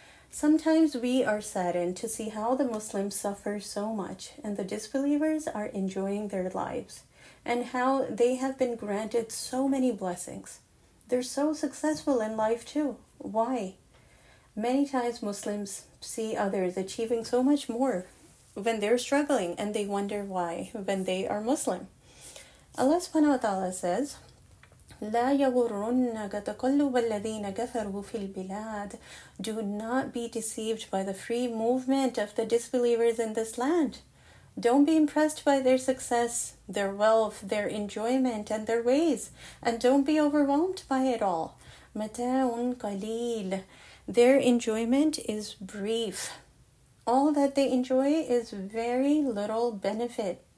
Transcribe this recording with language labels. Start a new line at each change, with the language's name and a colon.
English: Sometimes we are saddened to see how the Muslims suffer so much and the disbelievers are enjoying their lives and how they have been granted so many blessings. They're so successful in life too. Why? Many times Muslims see others achieving so much more when they're struggling and they wonder why when they are Muslim.
Arabic: Allah subhanahu wa ta'ala says, لَا يَغُرُّنَّكَ تَقَلُّبَ الَّذِينَ كَفَرُوا فِي الْبِلَادِ.
English: Do not be deceived by the free movement of the disbelievers in this land. Don't be impressed by their success, their wealth, their enjoyment, and their ways. And don't be overwhelmed by it all.
Arabic: Mata'un qaleel.
English: Their enjoyment is brief. All that they enjoy is very little benefit.